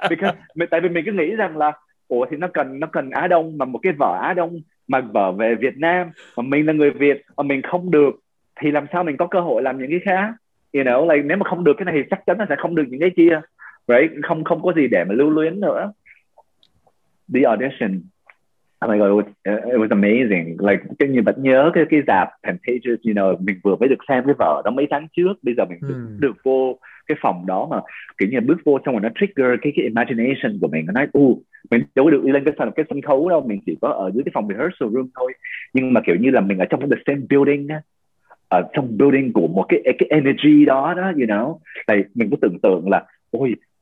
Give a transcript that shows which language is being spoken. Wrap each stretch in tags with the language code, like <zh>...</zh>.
<vi>Because, tại vì mình cứ nghĩ rằng là, ủa thì nó cần Á Đông, mà một cái vở Á Đông, mà vở về Việt Nam, mà mình là người Việt, mà mình không được, thì làm sao mình có cơ hội làm những cái khác, like, nếu mà không được cái này thì chắc chắn là sẽ không được những cái kia, right? Không không có gì để mà lưu luyến nữa.</vi> <en>The audition, oh my god, it was amazing.</en> <vi>Like, như vẫn nhớ cái dạp Pantages, mình vừa mới được xem cái vở đó mấy tháng trước, bây giờ mình được vô cái phòng đó mà kiểu như bước vô xong rồi nó trigger cái imagination của mình, nó nói, mình đâu được đi lên cái sân khấu đâu, mình chỉ có ở dưới cái phòng rehearsal room thôi, nhưng mà kiểu như là mình ở trong cái</vi> <en>same building</en> <vi>á, ở trong building của một cái energy đó đó, Tại mình cứ tưởng tượng là, ôi</vi>